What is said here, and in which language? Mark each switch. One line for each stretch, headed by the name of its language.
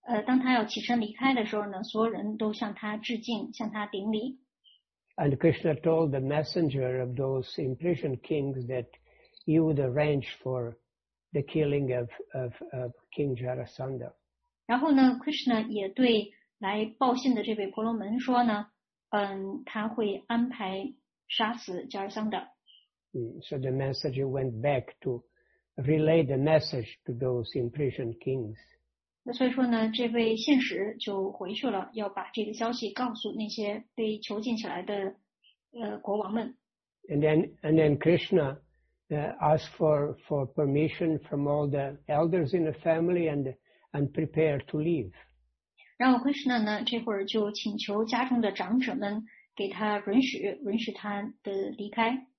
Chinese: 当他要起身离开的时候呢，所有人都向他致敬，向他顶礼。
English: And Krishna told the messenger of those imprisoned kings that he would arrange for the killing of King Jarasandha.
Chinese: 然后呢 ，Krishna 也对来报信的这位婆罗门说呢，他会安排杀死 Jarasandha。
English: So the messenger went back to relay the message to those imprisoned kings.
Chinese: 那所以说呢，这位信使就回去了，要把这个消息告诉那些被囚禁起来的国王们。
English: And then Krishna asked for permission from all the elders in the family and prepared to leave.
Chinese: 然后 Krishna 呢，这会儿就请求家中的长者们给他允许他的离开。